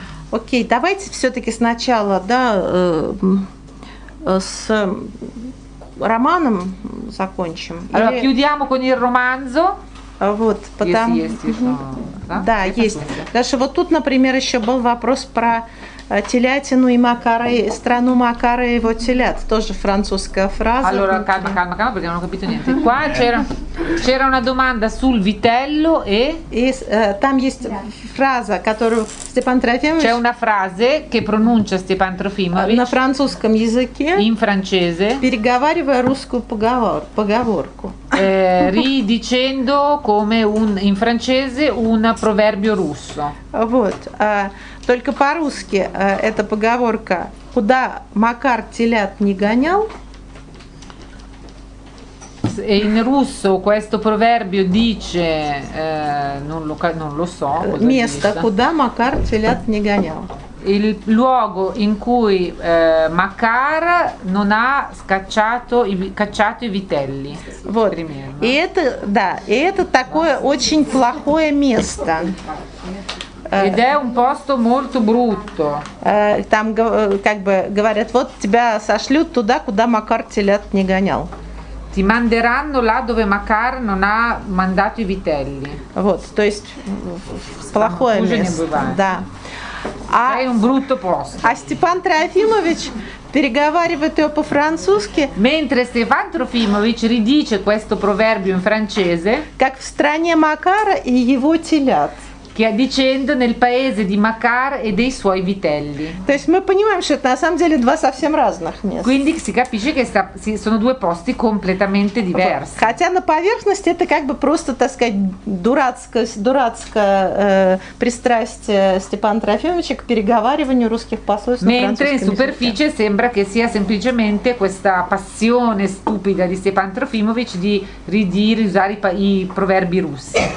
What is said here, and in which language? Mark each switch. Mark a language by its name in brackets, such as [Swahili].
[Russian] Ok, давайте все-таки сначала, да, с романом закончим. [Italian] Allora, chiudiamo con il romanzo. [Russian] Вот, потому что да, есть. Даже вот тут, например, еще был вопрос про телятину и макары, страну макары и его телят. Тоже французская фраза. [Italian] Allora, calma, perché non ho capito niente. Qua c'era una domanda sul vitello e [Russian] там есть фраза, которую Степан Трофимович. [Italian] C'è una frase che pronuncia Степан Трофимович [Russian] на французском языке. [Italian] In francese. [Russian] Переговаривая русскую поговорку. [Italian] Ridicendo come in francese un proverbio russo. [Russian] Вот. Только по-русски эта поговорка: куда Макар телят не гонял. [Italian] E in russo questo proverbio dice non lo so. [Russian] Место, куда Макар телят не гонял. [Italian] Il luogo in cui Макар non ha cacciato i vitelli. [Russian] Вот. И это такое очень плохое место. [Italian] Ed è un posto molto brutto. [Russian] Там как бы говорят, вот тебя сошлют туда, куда Макар телят не гонял. [Italian] Ti manderanno là dove Макар non ha mandato i vitelli. [Russian] Вот, то есть плохое место. Да. [Italian] È un brutto posto. [Russian] А Степан Трофимович переговаривает ее по-французски. [Italian] Mentre Stefan Trofimovic ridice questo proverbio in francese. [Russian] Как в стране Макара и его телят. [Italian] Che dicendo nel paese di Макар e dei suoi vitelli. [Russian] То есть мы понимаем, что это на самом деле два совсем разных места. [Italian] Quindi si capisce che sono due posti completamente diversi. [Russian] Хотя на поверхности это как бы просто, так сказать, дурацкое пристрастие Степана Трофимовича к переговариванию русских посольств на французском языке. [Italian] Mentre in superficie sembra che sia semplicemente questa passione stupida di Stepan Trofimovic di ridire, usare i proverbi russi.